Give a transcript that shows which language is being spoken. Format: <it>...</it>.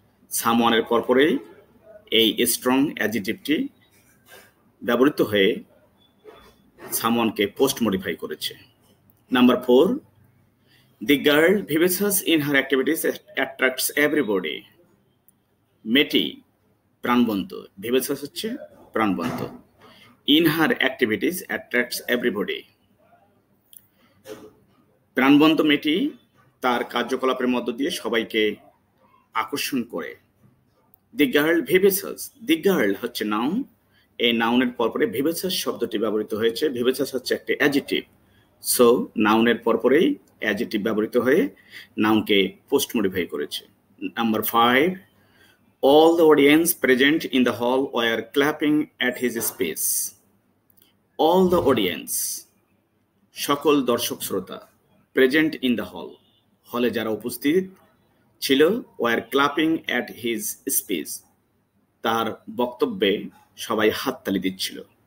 <bn>সামওয়ানের পরপরেই এই স্ট্রং অ্যাডজেক্টিভটি ব্যবহৃত হয়ে সামওয়ানকে পোস্ট মডিফাই করেছে।</bn> <en>Number four, the girl vivacious in her activities attracts everybody.</en> <bn>মেয়েটি প্রাণবন্ত, ভিভেসাস হচ্ছে প্রাণবন্ত।</bn> <en>In her activities, attracts everybody.</en> <bn>প্রাণবন্ত মেয়েটি তার কার্যকলাপের মধ্য দিয়ে সবাইকে আকর্ষণ করে।</bn> <en>the girl vivacious,</en> <bn>দি গার্ল হচ্ছে নাউন। এই নাউনের পরপরে ভিভেসাস শব্দটি ব্যবহৃত হয়েছে। ভিভেসাস হচ্ছে একটি অ্যাডজেক্টিভ। সো নাউনের পরপরেই অ্যাডজেক্টিভ ব্যবহৃত হয়ে নাউনকে পোস্ট মডিফাই করেছে।</bn> <en>Number five, All the audience present in the hall were clapping at his speech. All the audience,</en> <bn>সকল দর্শক শ্রোতা,</bn> <en>present in the hall,</en> <bn>হলে যারা উপস্থিত ছিল,</bn> <en>were clapping at his speech,</en> <bn>তার বক্তব্যে সবাই হাততালি দিচ্ছিল।</bn>